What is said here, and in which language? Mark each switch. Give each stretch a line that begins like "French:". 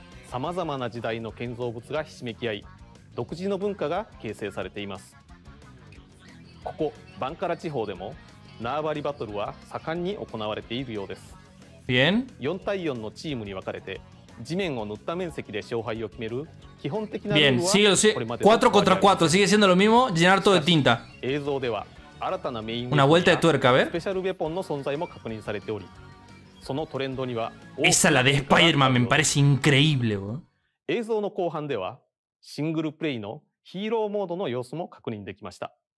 Japanese: さまざまな時代の建造物がひしめき合い、独自の文化が形成されています。ここバンカラ地方でも縄張りバトルは盛んに行われているようです。
Spanish: Bien.
Japanese: 4対4のチームに分かれて地面を塗った面積で勝敗を決める基本的なルールはこれまで
Spanish: 4 contra 4 sigue siendo lo mismo llenar todo de tinta.
Japanese: 映像では新たなメインウェポンやスペシャルウェポンの存在も確認されており、そのトレンドには大きな変化があるようです。
Spanish: Increíble,
Japanese: 映像の後半ではシングルプレイのヒーローモードの様子も確認できました。